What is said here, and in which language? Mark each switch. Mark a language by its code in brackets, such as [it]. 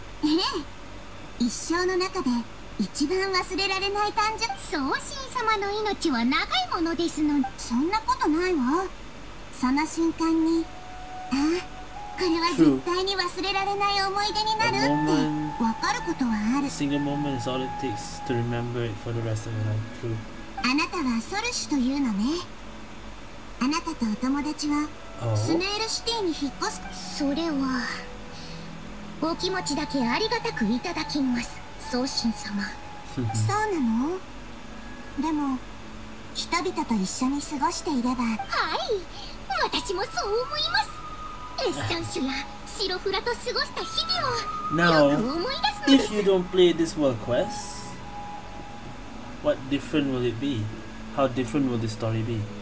[ja] ええ、一生の中で一番忘れられない誕生。宗神様の命は長いものですの。そんなことないわ。その瞬間に、ああ、これは絶対に忘れられない思い出になるってわかることはある。 [en] Single moment is all it takes to remember it for the rest of your life. True. [ja] あなたはソルシュというのね。あなたとお友達は。スネイルシティに引っ越す。それはお気持ちだけありがたくいただきます、宗神様。そうなの。でも人々と一緒に過ごしていれば。はい、私もそう思います。エッサンシュやシロフラと過ごした日々をよく思い出すのです。 [en] Now, if you don't play this world quest, what different will it be? How different will the story be?